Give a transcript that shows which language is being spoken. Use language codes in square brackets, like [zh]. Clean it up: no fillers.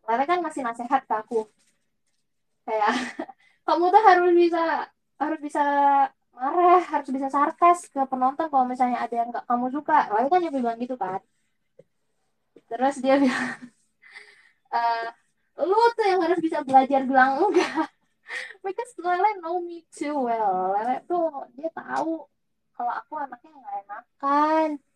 [id] Lele kan masih nasehat ke aku. Kayak kamu tuh harus bisa marah, harus bisa sarkas ke penonton kalau misalnya ada yang nggak kamu suka. Lalu kan dia bilang gitu kan. Terus dia bilang, lu tuh yang harus bisa belajar bilang enggak. [en] Because Lele know me too well. [id] Lele tuh dia tahu kalau aku anaknya nggak enakan.